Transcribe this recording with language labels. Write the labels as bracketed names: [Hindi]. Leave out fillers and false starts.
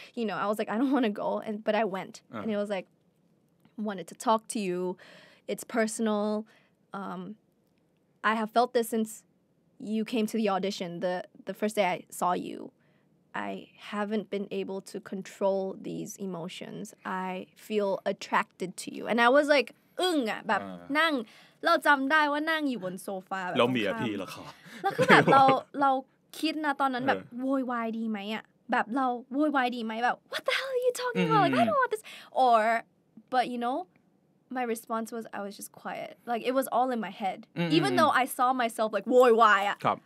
[English] You know, I was, like, I don't want to go. But I went. Uh-huh. And he was, like, wanted to talk to you. It's personal. I have felt this since you came to the audition. The first day I saw you, I haven't been able to control these emotions. I feel attracted to you. And I was like, [Thai] อึ้งอ่ะ แบบ นั่ง เราจำได้ว่านั่งอยู่บนโซฟา แล้วมีอะพี่แล้วค่ะ แล้วคือแบบ เราคิดนะตอนนั้น แบบโวยวายดีไหมอ่ะ แบบเราโวยวายดีไหม แบบ [English] What the hell are you talking about? Like, I don't want this. Or, but you know,My response was I was just quiet. Like, it was all in my head. Mm-hmm. Even though I saw myself like, why?